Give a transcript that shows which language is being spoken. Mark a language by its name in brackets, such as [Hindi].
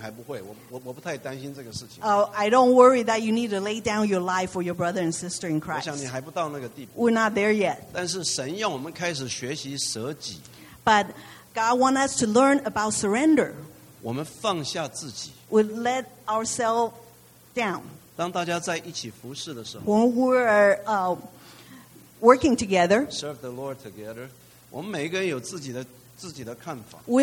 [Chinese] 我相信我们弟兄姊妹们还不彼此舍命还不会，我不太担心这个事情。 [English] I don't worry that you need to lay down your life for your brother and sister in Christ. [Chinese] 我想你还不到那个地步。 [English] We're not there yet. [Chinese] 但是神要我们开始学习舍己。 [English] But God wants us to learn about surrender. [Chinese] 我们放下自己。 [English] We let ourselves down. [Chinese] 当大家在一起服侍的时候。 [English] When we are working together. Serve the Lord together. [Chinese] 我们每一个人有自己的看法。 [English] We